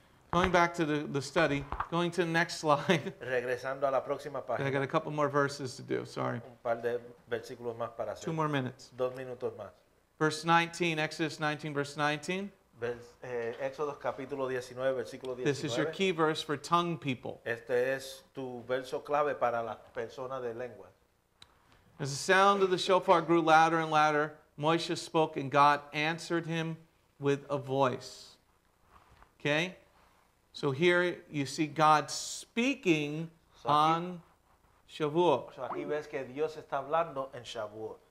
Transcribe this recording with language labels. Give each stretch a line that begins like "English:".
English: Going back to the study, going to the next slide.
Spanish: Regresando a la próxima página.
English: I got a couple more verses to do, sorry.
Spanish: Un par de versículos más para hacer.
English: Two more minutes.
Spanish: Dos minutos más.
English: Verse 19, Exodus 19, verse 19.
Spanish: Exodus, capítulo 19, versículo 19.
English: This is your key verse for tongue people.
Spanish: Este es tu verso clave para las personas de lengua.
English: As the sound of the shofar grew louder and louder, Moshe spoke and God answered him with a voice. Okay? So here you see God speaking on Shavuot.
Spanish: So aquí ves que Dios está hablando en Shavuot.